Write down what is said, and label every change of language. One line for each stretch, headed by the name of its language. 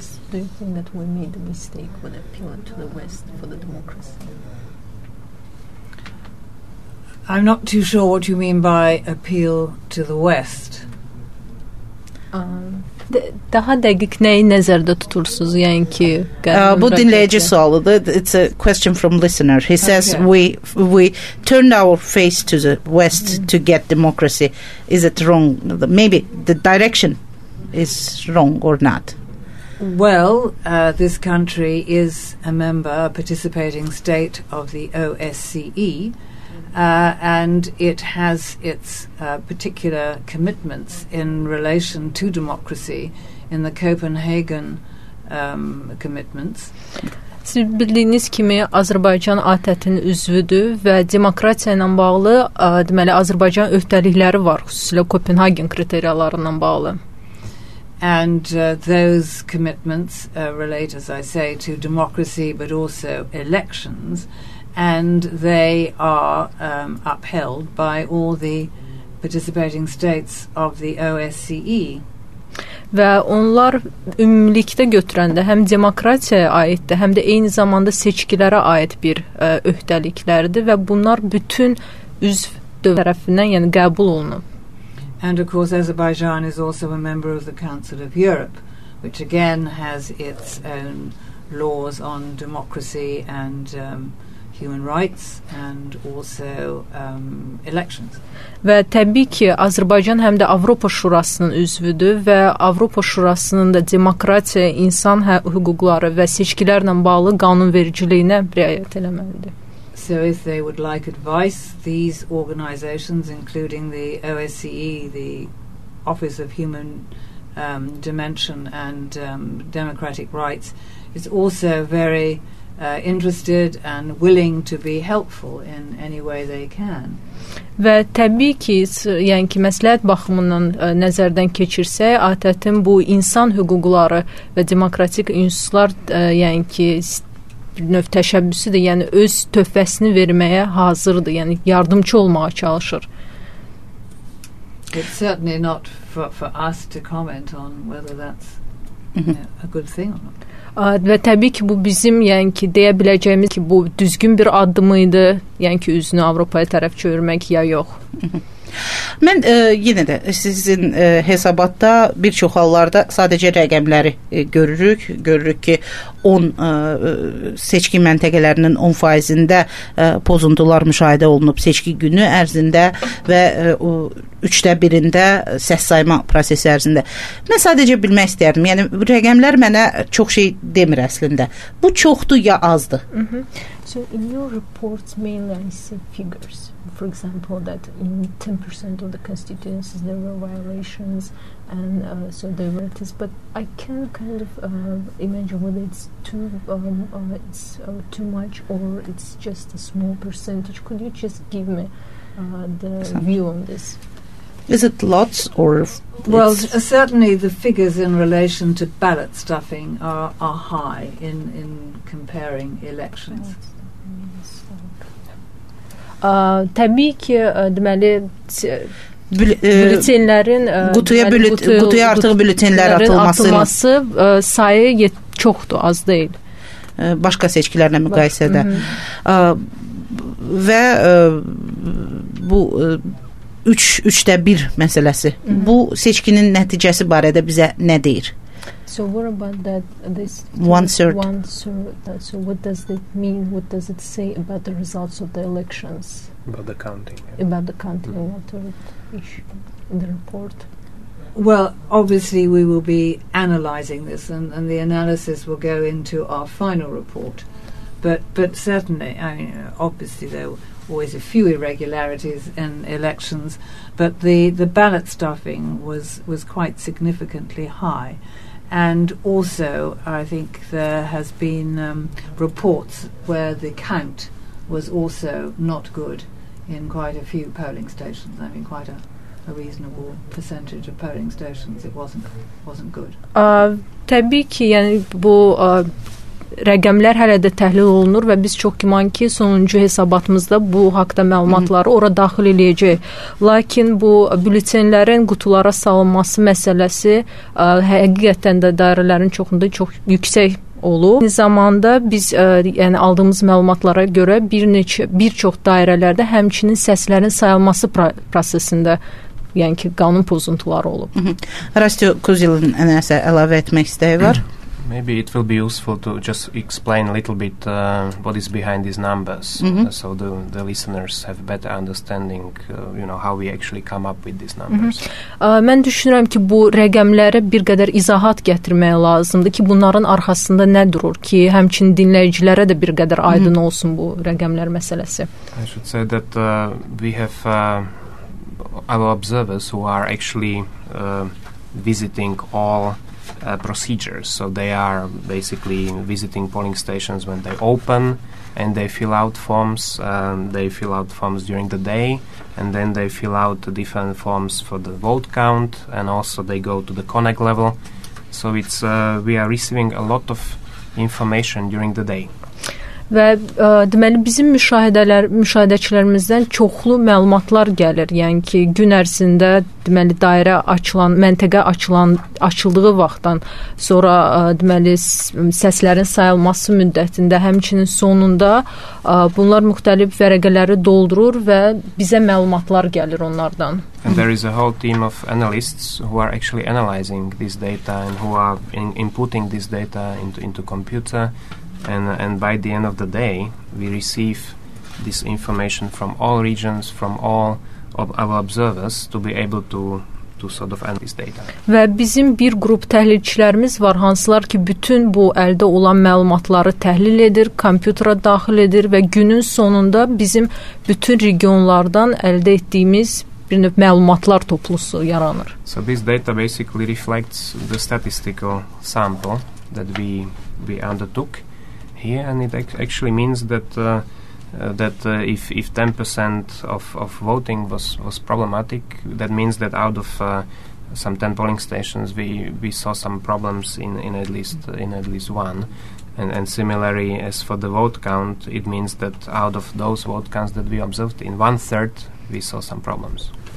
English: Do you think that we made a mistake when appealing to the West for the democracy? I'm not too sure what you mean by appeal to the West.
Azerbaijani: daha dəqiq nəyi nəzərdə tutursunuz? Yəni ki, bu dinləyici sualıdır.
English: It's a question from listener. He says we turned our face to the west to get democracy. Is it wrong? Maybe the direction is wrong or not. Well, this country is a member, a participating state of the OSCE, and it has its particular commitments in relation to democracy in the Copenhagen commitments.
Azerbaijani: Siz bildiyiniz kimi Azərbaycan ATƏT-in üzvüdür və demokratiya ilə bağlı deməli Azərbaycan öhdəlikləri var, xüsusilə Kopenhagen kriteriyalarından bağlı.
English: And those commitments relate, as I say, to democracy, but also elections, and they are upheld by all the participating states of the OSCE.
Azerbaijani: Və onlar ümumilikdə götürəndə həm demokratiyaya aiddir, həm də eyni zamanda seçkilərə aid bir öhdəliklərdir və bunlar bütün üzv tərəfindən, yəni qəbul olunub.
English: And of course Azerbaijan is also a member of the Council of Europe, which again has its own laws on democracy and human rights and also elections.
Azerbaijani: Və təbii ki, Azərbaycan həm də Avropa Şurasının üzvüdür və Avropa Şurasının da demokratiya, insan hüquqları və seçkilərlə bağlı qanunvericiliyinə riayət eləməlidir.
English: So if they would like advice, these organizations, including the OSCE, the Office of Human Dimension and Democratic Rights, is also very interested and willing to be helpful in any way they can.
Azerbaijani: Və təbii ki, yəni ki, məsləhət baxımından nəzərdən keçirsək, ATƏT-in bu insan hüquqları və demokratik ünsuslar, yəni ki, növ təşəbbüsüdür, yəni öz töhfəsini verməyə hazırdır, yəni yardımçı olmağa çalışır.
English: It's certainly not for us to comment on whether that's a good thing or not.
Azerbaijani: Və təbii ki, bu bizim, yəni ki, deyə biləcəyimiz ki, bu düzgün bir addım idi, yəni ki, üzünü Avropaya tərəf çevirmək ya yox. Mən yenə də sizin hesabatda bir çox hallarda sadəcə rəqəmləri görürük. Görürük ki, 10 seçki məntəqələrinin 10%-ində pozuntular müşahidə olunub seçki günü ərzində və 3-də 1-də səs sayma prosesi ərzində. Mən sadəcə bilmək istəyərdim. Yəni, rəqəmlər mənə çox şey demir əslində. Bu çoxdur ya azdır?
English: So in your reports mainly I see figures, for example, that in 10% of the constituencies there were violations and so there were this, but I can kind of imagine whether it's too it's too much or it's just a small percentage. Could you just give me the view on this? Is it lots or? Well, certainly the figures in relation to ballot stuffing are high in comparing elections. Right.
Azerbaijani: Təbii ki, deməli bülütenlərin qutuya artıq bülütenlər atılması sayı çoxdur, az deyil. Başqa seçkilərlə müqayisədə. Və bu 3-3-də 1 məsələsi. Bu seçkinin nəticəsi barədə bizə nə deyir?
English: So what about that this one third so what does that mean, what does it say about the results of the elections, about the counting, yeah. About the counting, mm-hmm. What are in the report? Well, obviously we will be analyzing this and the analysis will go into our final report, but certainly I mean obviously there always a few irregularities in elections, but the ballot stuffing was quite significantly high. And also, I think there has been reports where the count was also not good in quite a few polling stations. I mean, quite a reasonable percentage of polling stations, it wasn't good.
Azerbaijani: Təbii ki, yəni bu rəqəmlər hələ də təhlil olunur və biz çox güman ki, sonuncu hesabatımızda bu haqda məlumatları ora daxil eləyəcək. Lakin bu bülütenlərin qutulara salınması məsələsi həqiqətən də dairələrin çoxunda çox yüksək olub. Eyni zamanda biz yəni aldığımız məlumatlara görə bir çox dairələrdə həmçinin səslərin sayılması prosesində yəni ki, qanun pozuntuları olub. Rastio Kuzilin nəsə əlavə etmək istəyi var?
English: Maybe it will be useful to just explain a little bit what is behind these numbers, so the listeners have a better understanding, you know, how we actually come up with these numbers.
Azerbaijani: Mən düşünürəm ki, bu rəqəmlərə bir qədər izahat gətirmək lazımdır ki, bunların arxasında nə durur ki, həmçin dinləyicilərə də bir qədər aydın olsun bu rəqəmlər məsələsi.
English: I should say that we have our observers who are actually visiting all procedures. So they are basically visiting polling stations when they open, and they fill out forms. They fill out forms during the day, and then they fill out the different forms for the vote count, and also they go to the connect level. So it's we are receiving a lot of information during the day.
Azerbaijani: Və deməli, bizim müşahidəçilərimizdən çoxlu məlumatlar gəlir. Yəni ki, gün ərzində, deməli, dairə açılan, məntəqə açıldığı vaxtdan sonra, deməli, səslərin sayılması müddətində, həmçinin sonunda bunlar müxtəlif vərəqələri doldurur və bizə məlumatlar gəlir onlardan.
English: And there is a whole team of analysts who are actually analyzing this data and who are inputting this data into computer. And by the end of the day, we receive this information from all regions, from all of our observers to be able to sort of analyze data.
Azerbaijani: Və bizim bir qrup təhlilçilərimiz var, hansılar ki, bütün bu əldə olan məlumatları təhlil edir, kompüterə daxil edir və günün sonunda bizim bütün regionlardan əldə etdiyimiz bir növ məlumatlar toplusu yaranır.
English: So this data basically reflects the statistical sample that we undertook. Here, and it actually means that if 10% of voting was problematic, that means that out of some 10 polling stations we saw some problems in at least one, and similarly as for the vote count, it means that out of those vote counts that we observed in 1/3 we saw some problems.